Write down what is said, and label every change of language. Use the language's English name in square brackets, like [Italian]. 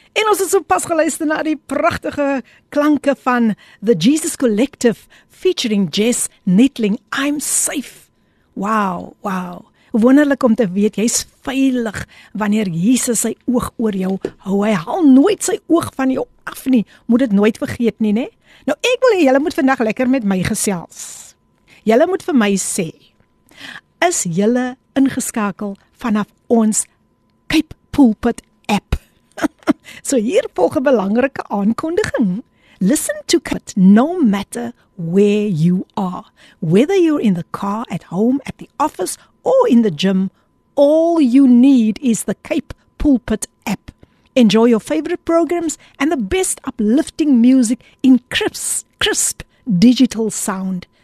[Afrikaans] En ons het so pas geluister na die pragtige klanke van The Jesus Collective featuring Jess Nitling, I'm Safe. Wow, wow. Wonderlik om te weet, jy is veilig wanneer Jesus sy oog oor jou hou. Hy haal nooit sy oog van jou af nie. Moet dit nooit vergeet nie, né? Nou, ek wil hê julle moet vandag lekker met my gesels. Julle moet vir my sê, is julle ingeskakel vanaf ons Cape Pulpit app? So hier volg 'n belangrike aankondiging. [English] Listen to it no matter where you are. Whether you're in the car, at home, at the office or in the gym, all you need is the Cape Pulpit app. Enjoy your favorite programs and the best uplifting music in crisp digital sound.